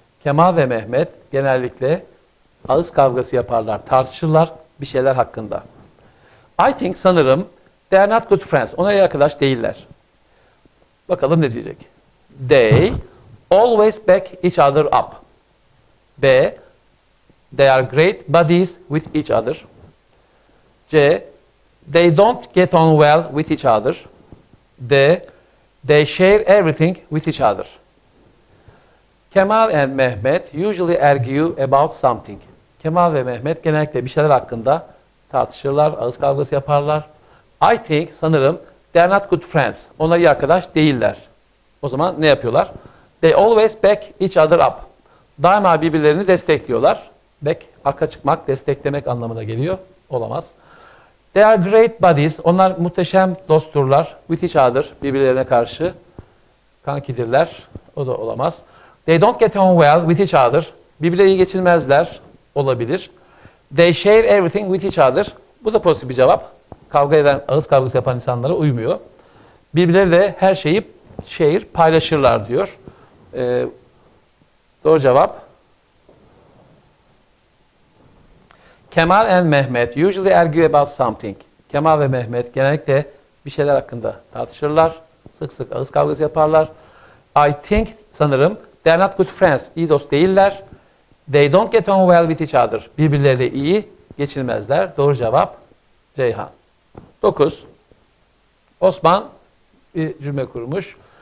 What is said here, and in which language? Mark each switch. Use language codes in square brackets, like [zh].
[tr] Kemal ve Mehmet genellikle ağız kavgası yaparlar, tartışırlar bir şeyler hakkında. [en] I think, [tr] sanırım, [en] they are not good friends. [tr] Ona iyi arkadaş değiller. Bakalım ne diyecek. [en] They always back each other up. B. They are great buddies with each other. C. They don't get on well with each other. D. They share everything with each other. Kemal and Mehmet usually argue about something. [tr] Kemal ve Mehmet genellikle bir şeyler hakkında tartışırlar, ağız kavgası yaparlar. [en] I think, [tr] sanırım, [en] they are not good friends. [tr] Onlar iyi arkadaş değiller. O zaman ne yapıyorlar? [en] They always back each other up. [tr] Daima birbirlerini destekliyorlar. Back, arka çıkmak, desteklemek anlamına geliyor. Olamaz. [en] They are great buddies. [tr] Onlar muhteşem dostturlar. [en] With each other, [tr] birbirlerine karşı kankidirler. O da olamaz. [en] They don't get on well with each other. [tr] Birbirleri iyi geçinmezler. Olabilir. [en] They share everything with each other. [tr] Bu da pozitif bir cevap. Kavga eden, ağız kavgası yapan insanlara uymuyor. Birbirleriyle her şeyi paylaşırlar diyor. Doğru cevap. [en] Kemal and Mehmet usually argue about something. [tr] Kemal ve Mehmet genellikle bir şeyler hakkında tartışırlar. Sık sık ağız kavgası yaparlar. [en] I think, [tr] sanırım, [en] they are not good friends. [tr] İyi dost değiller. [en] They don't get on well with each other. [tr] Birbirleriyle iyi geçinmezler. Doğru cevap Ceyhan. 9. Osman bir cümle kurmuş.